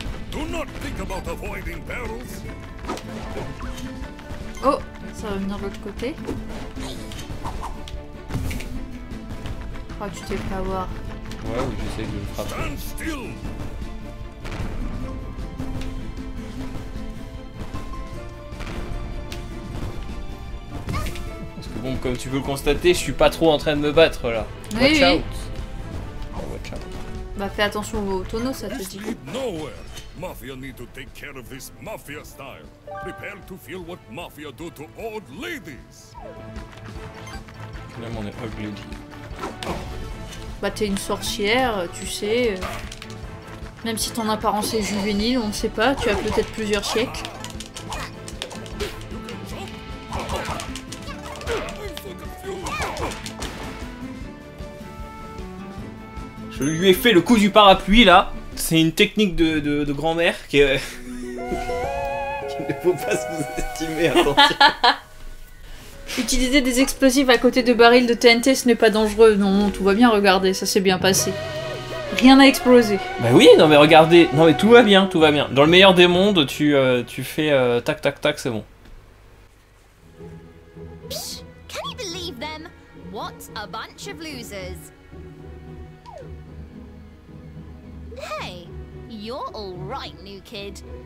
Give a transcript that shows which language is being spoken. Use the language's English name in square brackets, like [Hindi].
[English] Do not think about avoiding barrels. Oh ! [French] Ça va venir de l'autre côté. Oh, tu t'es fait avoir. Ouais, ou j'essaie de le frapper. [English] Stand still. [French] Parce que bon, comme tu peux le constater, je suis pas trop en train de me battre là. Oui, [English] watch [French] oui. [English] Out. Oh, watch out. [French] Bah fais attention aux tonneaux, ça te dit. [English] Nowhere. Mafia need to take care of this mafia style. Prepare to feel what mafia do to old ladies. [French] Clairement, on est [English] old lady. [French] Bah t'es une sorcière, tu sais. Même si ton apparence est juvénile, on ne sait pas, tu as peut-être plusieurs siècles. Je lui ai fait le coup du parapluie là. C'est une technique de grand-mère qui est... qui ne faut pas sous-estimer, attention. Utiliser des explosifs à côté de barils de TNT, ce n'est pas dangereux. Non, tout va bien, regardez, ça s'est bien passé. Rien n'a explosé. Bah oui, non mais regardez, non mais tout va bien. Dans le meilleur des mondes, tu fais tac tac tac, c'est bon. [English] Psh, can you believe them? What a bunch of losers. Hey, you're all right, new kid.